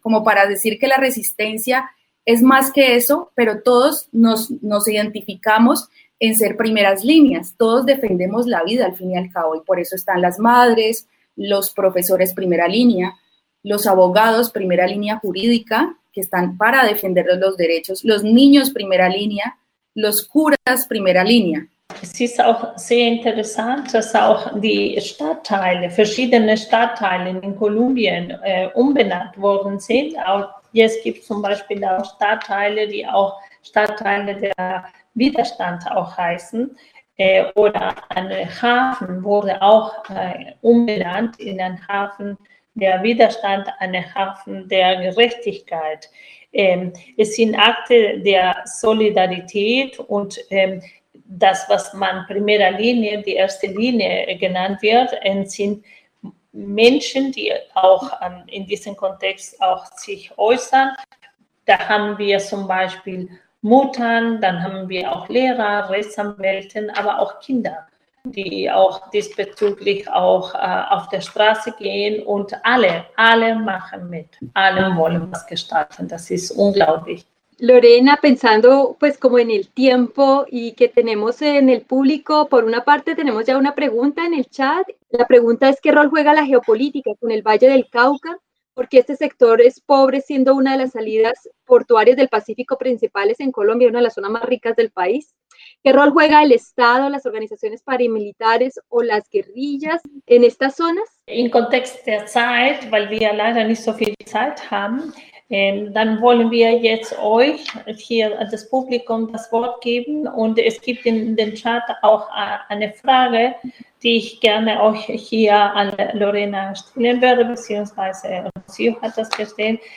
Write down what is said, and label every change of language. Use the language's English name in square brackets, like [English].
[Spanish] Como para decir que la resistencia es más que eso, pero todos nos identificamos en ser primeras líneas, todos defendemos la vida al fin y al cabo, y por eso están las madres, los profesores primera línea, los abogados primera línea jurídica, que están para defender los derechos, los niños primera línea, los curas primera línea. [German] Es ist auch sehr interessant, dass auch die Stadtteile, verschiedene Stadtteile in Kolumbien umbenannt worden sind. Auch jetzt gibt es zum Beispiel auch Stadtteile, die auch Stadtteile der Widerstand auch heißen. Oder ein Hafen wurde auch umbenannt in einen Hafen der Widerstand, einen Hafen der Gerechtigkeit. Es sind Akte der Solidarität und das, was man primera Linie, die erste Linie genannt wird, sind Menschen, die auch in diesem Kontext auch sich äußern. Da haben wir zum Beispiel Muttern, dann haben wir auch Lehrer, Rechtsanwälte, aber auch Kinder, die auch diesbezüglich auch auf der Straße gehen und alle machen mit, alle wollen was gestalten, das ist unglaublich. [Spanish] Lorena, pensando pues como en el tiempo y que tenemos en el público, por una parte tenemos ya una pregunta en el chat, la pregunta es: ¿qué rol juega la geopolítica con el Valle del Cauca? Porque este sector es pobre, siendo una de las salidas portuarias del Pacífico principales en Colombia, una de las zonas más ricas del país. ¿Qué rol juega el Estado, las organizaciones paramilitares o las guerrillas en estas zonas? [German] In context der Zeit, weil wir leider nicht so viel Zeit haben, dann wollen wir jetzt euch hier das Publikum das Wort geben und es gibt in den Chat auch eine Frage, die ich gerne euch hier an Lorena stellen würde, beziehungsweise sie hat das gestellt.